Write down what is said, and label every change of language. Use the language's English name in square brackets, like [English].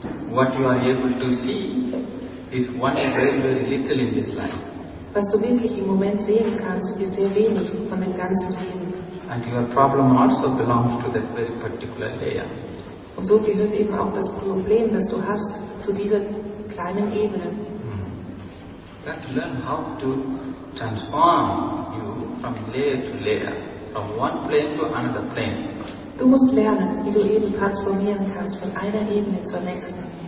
[English] What you are able to see is one very, very little in this life. [German] Was du wirklich im Moment sehen kannst, ist sehr wenig von dem ganzen Leben. [English] And your problem also belongs to that very particular layer. [German] Und so gehört eben auch das Problem, das du hast, zu dieser kleinen Ebene. [English] You have to learn how to transform you from layer to layer, from one plane to another plane. [German] Du musst lernen, wie du eben transformieren kannst von einer Ebene zur nächsten.